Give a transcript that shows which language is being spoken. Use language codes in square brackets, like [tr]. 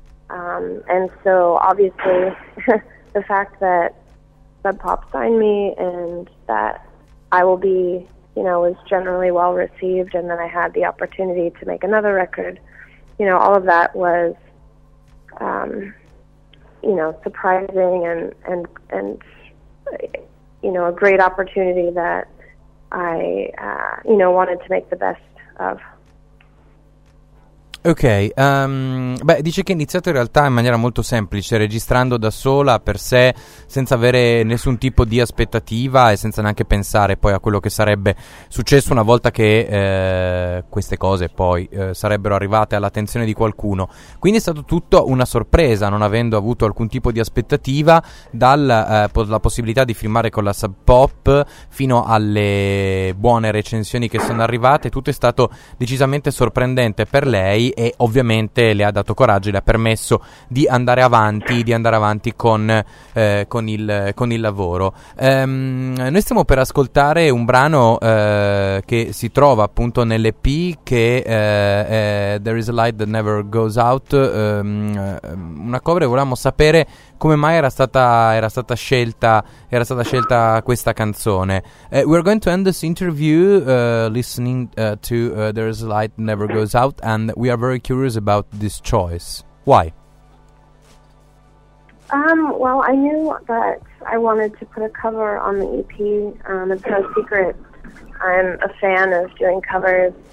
[en] And so obviously the fact that Sub Pop signed me and that I will be, you know, was generally well received, and then I had the opportunity to make another record, you know, all of that was, you know, surprising and you know, a great opportunity that I, you know, wanted to make the best of. [it] Ok, beh, dice che è iniziato in realtà in maniera molto semplice, registrando da sola per sé, senza avere nessun tipo di aspettativa e senza neanche pensare poi a quello che sarebbe successo una volta che queste cose poi sarebbero arrivate all'attenzione di qualcuno. Quindi è stato tutto una sorpresa, non avendo avuto alcun tipo di aspettativa, dalla la possibilità di firmare con la Sub Pop fino alle buone recensioni che sono arrivate. Tutto è stato decisamente sorprendente per lei, e ovviamente le ha dato coraggio, le ha permesso di andare avanti, con il lavoro. Noi stiamo per ascoltare un brano che si trova appunto nell'EP, che There is a Light That Never Goes Out, una cover. Volevamo sapere come mai era stata scelta questa canzone. [en] We're going to end this interview listening to There is a Light That Never Goes Out, and we are very curious about this choice. Why? Well, I knew that I wanted to put a cover on the EP. It's no secret I'm a fan of doing covers.